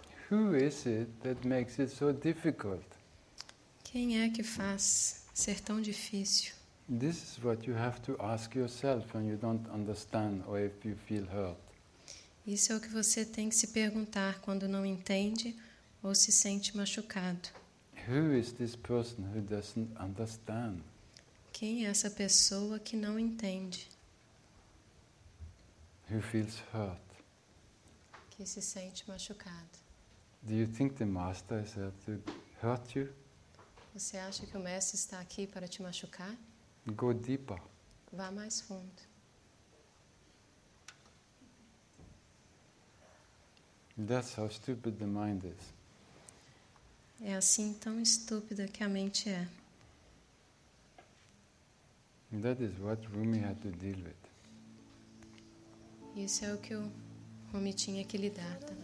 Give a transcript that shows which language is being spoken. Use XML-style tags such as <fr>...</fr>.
<en>Who is it that makes it so difficult?</en> <pt>Quem é que faz ser tão difícil?</pt> <en>This is what you have to ask yourself when you don't understand or if you feel hurt.</en> <pt>Isso é o que você tem que se perguntar quando não entende ou se sente machucado.</pt> <en>Who is this person who doesn't understand?</en> <pt>Quem é essa pessoa que não entende?</pt> <en>Who feels hurt?</en> <pt>Que se sente machucado.</pt> <en>Do you think the master is there to hurt you?</en> <pt>Você acha que o mestre está aqui para te machucar?</pt> <en>Go deeper.</en> <pt>Vá mais fundo.</pt> <en>That's how stupid the mind is.</en> <pt>É assim tão estúpida que a mente é.</pt> <en>That is what Rumi had to deal with.</en> <pt>Isso é o que o Rumi tinha que lidar.</pt>